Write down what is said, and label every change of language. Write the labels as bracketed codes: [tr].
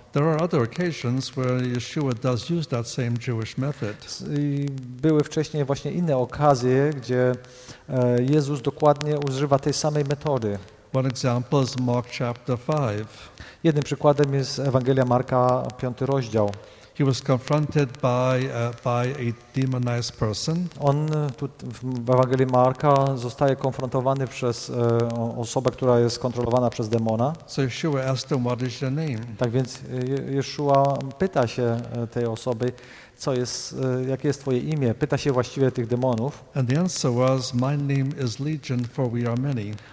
[en] There are other occasions where Yeshua does use that same Jewish method. [pl] Były wcześniej właśnie inne okazje, gdzie Jezus dokładnie używa tej samej metody. [en] One example is Mark chapter 5. [pl] Jednym przykładem jest Ewangelia Marka, 5 rozdział. [en] He was confronted by a demonized person. [pl] On tu w Ewangelii Marka zostaje konfrontowany przez osobę, która jest kontrolowana przez demona. [en] So Yeshua asked him, what is your name? [pl] Tak więc Yeshua pyta się tej osoby, jakie jest twoje imię? Pyta się właściwie tych demonów. [en] And the answer was, my name is Legion, for we are many.